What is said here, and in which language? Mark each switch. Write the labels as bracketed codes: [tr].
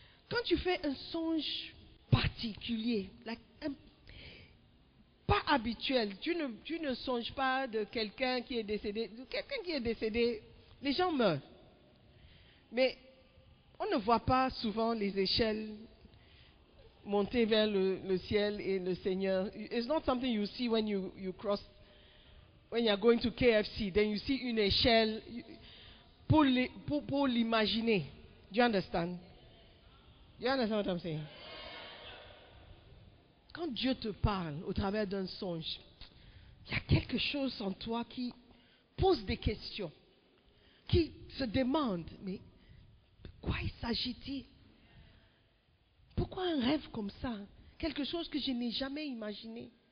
[fr] Quand tu fais un songe particulier, pas habituel, tu ne songes pas de quelqu'un qui est décédé. Quelqu'un qui est décédé, les gens meurent. Mais on ne voit pas souvent les échelles monter vers le ciel et le Seigneur. [en] It's not something you see when you cross. When you're going to KFC, then you see [fr] une échelle pour l'imaginer. [en] Do you understand? Do you understand what I'm saying? [fr] Quand Dieu te parle au travers d'un songe, il y a quelque chose en toi qui pose des questions, qui se demande, mais de quoi il s'agit-il? Pourquoi un rêve comme ça? Quelque chose que je n'ai jamais imaginé.